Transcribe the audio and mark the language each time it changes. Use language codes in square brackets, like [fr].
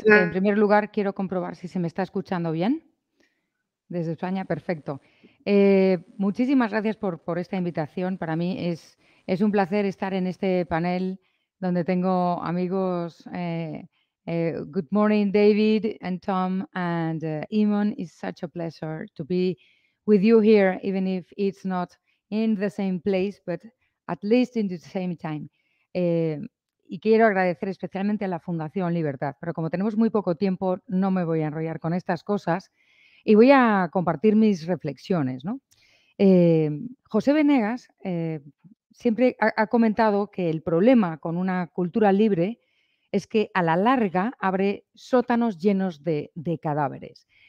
[es] En primer lugar, quiero comprobar si se me está escuchando bien. Desde España, perfecto. Muchísimas gracias por esta invitación. Para mí es un placer estar en este panel donde tengo amigos. [en] Good morning, David and Tom and Eamon. It's such a pleasure to be with you here, even if it's not in the same place, but at least in the same time. [es] Y quiero agradecer especialmente a la Fundación Libertad, pero como tenemos muy poco tiempo, no me voy a enrollar con estas cosas y voy a compartir mis reflexiones, ¿no? José Venegas siempre ha comentado que el problema con una cultura libre es que a la larga abre sótanos llenos de cadáveres.